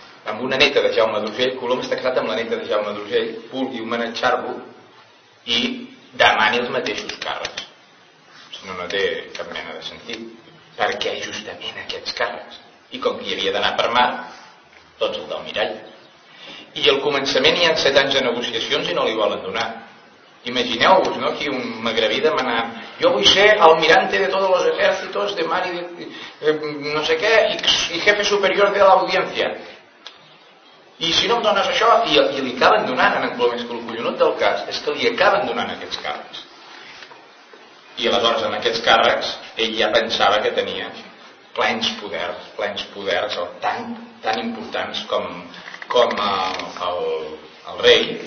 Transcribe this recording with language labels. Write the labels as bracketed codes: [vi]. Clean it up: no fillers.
[ca] amb una neta de Jaume d'Urgell, Colom està casat amb la neta de Jaume d'Urgell, vulgui homenatjar-lo i demani els mateixos càrrecs, si no, no té cap mena de sentit. Per què justament aquests càrrecs? I com que hi havia d'anar per mar, tots el del mirall. I al començament hi ha 7 anys de negociacions i no li volen donar. Imagineu-vos, no?, aquí un magrebí demanant, jo vull ser [es] almirante de todos los ejércitos, de mar y de no sé què, y jefe superior de la audiencia. [ca] I si no em dones això, i li acaben donant, en Colom és que el collonot del cas és que li acaben donant aquests càrrecs. I aleshores en aquests càrrecs ell ja pensava que tenia plens poders o tan importants com el rei.